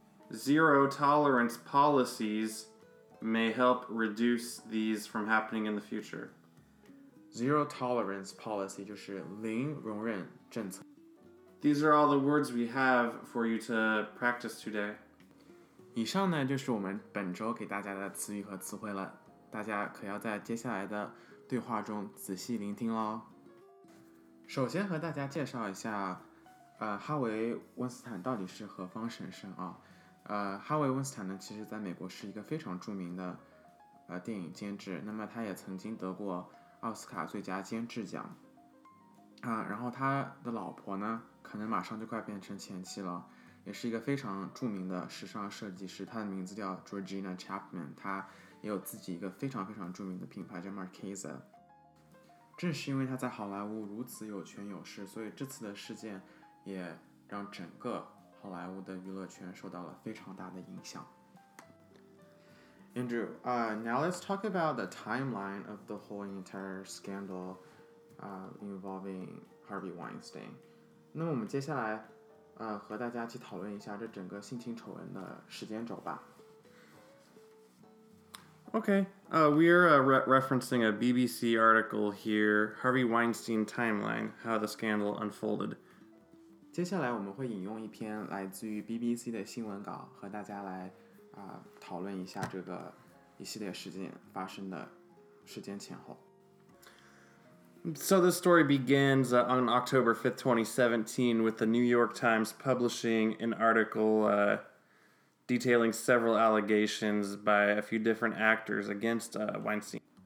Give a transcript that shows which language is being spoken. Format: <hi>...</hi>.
<en>Zero tolerance policies may help reduce these from happening in the future.</en> <zh>Zero tolerance policy 就是零容忍政策。</zh> <en>These are all the words we have for you to practice today.</en> <zh>以上呢就是我们本周给大家的词语和词汇了，大家可要在接下来的对话中仔细聆听咯。首先和大家介绍一下哈维·温斯坦到底是何方神圣啊。哈维·温斯坦呢，其实在美国是一个非常著名的电影监制，那么他也曾经得过奥斯卡最佳监制奖然后他的老婆呢，可能马上就快变成前妻了，也是一个非常著名的时尚设计师，他的名字叫 Georgina Chapman， 他也有自己一个非常非常著名的品牌叫 Marquesa。正是因为他在好莱坞如此有权有势，所以这次的事件也让整个好莱坞的娱乐圈受到了非常大的影响。</zh> <en>Andrew, now let's talk about the timeline of the whole entire scandal involving Harvey Weinstein.</en> <zh>那我们接下来和大家去讨论一下这整个性侵丑闻的时间轴吧。</zh> <en>Okay, we are referencing a BBC article here, Harvey Weinstein Timeline, How the Scandal Unfolded.</en> <zh>接下来我们会引用一篇来自于 BBC 的新闻稿和大家来讨论一下这个一系列事件发生的时间前后。</zh> <en>So this story begins on October 5th, 2017, with the New York Times publishing an article detailing several allegations by a few different actors against Weinstein.</en>